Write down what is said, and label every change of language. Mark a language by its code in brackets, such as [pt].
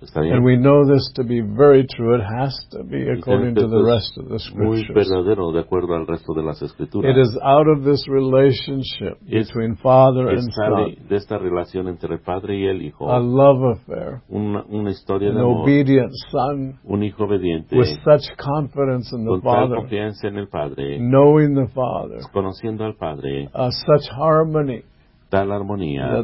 [en] And we know this to be very true. It has to be according to the rest of the scriptures. [es] Muy verdadero, de acuerdo al resto de las escrituras. [en] It is out of this relationship between Father and Son. [es] De esta relación entre el Padre y el Hijo. [en] A love affair. [es] Una historia [en] an [es] de amor. [en] Obedient Son. [es] Un Hijo obediente. [en] With such confidence in the Father. [es] Con tal confianza en el Padre. [en] Knowing the Father. [es] Conociendo al Padre. [en] Such harmony. [es] Tal armonía,